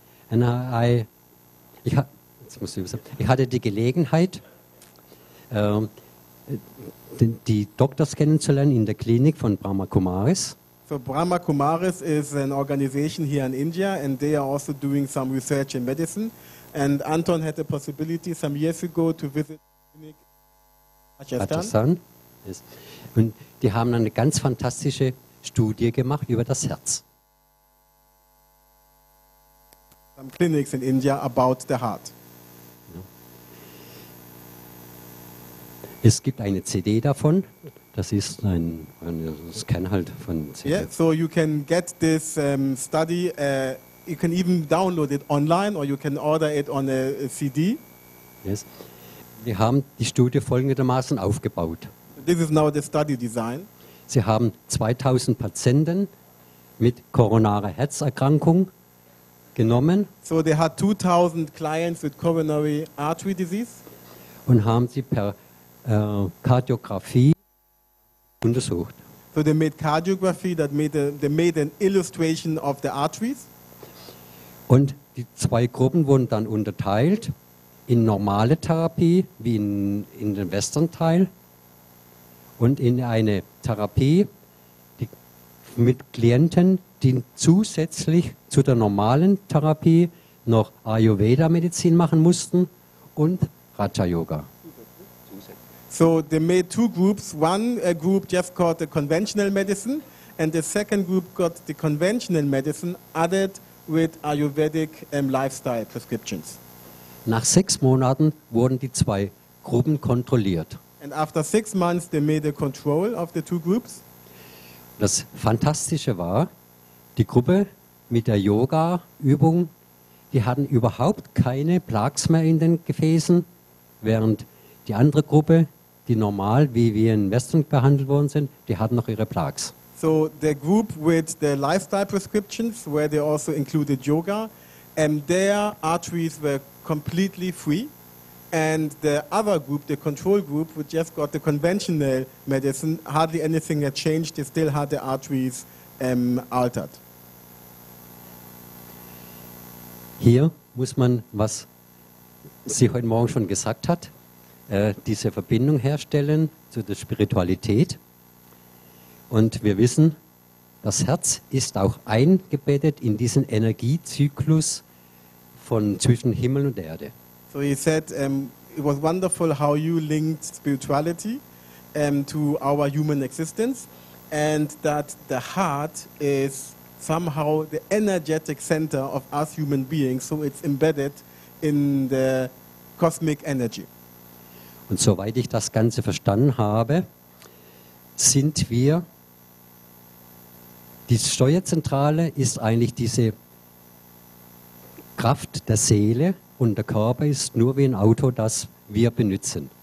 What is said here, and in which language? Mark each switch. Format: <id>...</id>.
<de>And ich hatte die Gelegenheit, die Doktors kennenzulernen in der Klinik von Brahma Kumaris.</de> <en>So Brahma Kumaris is an organization here in India and they are also doing some research in medicine. And Anton had the possibility some years ago to visit the clinic in Rajasthan. Yes.</en> <de>Und die haben eine ganz fantastische Studie gemacht über das Herz.</de> <en>Some clinics in India about the heart.</en> <de>Es gibt eine CD davon. Das ist ein Scan halt von CD.</de> <en>Yeah, so you can get this study. You can even download it online or you can order it on a CD.</en> <de>Yes. Wir haben die Studie folgendermaßen aufgebaut.</de> <en>This is now the study design.</en> <de>Sie haben 2000 Patienten mit koronarer Herzerkrankung genommen.</de> <en>So they had 2000 clients with coronary artery disease.</en> <de>Und haben sie per Kardiographie untersucht.</de> <en>So they made cardiography, they made an illustration of the arteries.</en> <de>Und die zwei Gruppen wurden dann unterteilt in normale Therapie, wie in den Western Teil, und in eine Therapie die, mit Klienten, die zusätzlich zu der normalen Therapie noch Ayurveda-Medizin machen mussten und Raja-Yoga.</de> <en>So they made two groups. One group just called the conventional medicine, and the second group got the conventional medicine added with Ayurvedic lifestyle prescriptions.</en> <de>Nach 6 Monaten wurden die zwei Gruppen kontrolliert.</de> <en>And after 6 months they made a control of the 2 groups.</en> <de>Das Fantastische war, die Gruppe mit der Yoga-Übung, die hatten überhaupt keine Plaques mehr in den Gefäßen, während die andere Gruppe, die normal, wie wir in Westen behandelt worden sind, die hatten noch ihre Plaques.</de> <en>So the group with the lifestyle prescriptions, where they also included yoga, and their arteries were completely free. And the other group, the control group, which just got the conventional medicine, hardly anything had changed. They still had the arteries altered.</en> <de>Hier muss man, was sie heute Morgen schon gesagt hat, diese Verbindung herstellen zu der Spiritualität. Und wir wissen, das Herz ist auch eingebettet in diesen Energiezyklus von zwischen Himmel und Erde.</de> <en>So he said, it was wonderful how you linked spirituality to our human existence, and that the heart is somehow the energetic center of us human beings, so it's embedded in the cosmic energy.</en> <de>Und soweit ich das Ganze verstanden habe, sind wir, die Steuerzentrale ist eigentlich diese Kraft der Seele, und der Körper ist nur wie ein Auto, das wir benutzen.</de>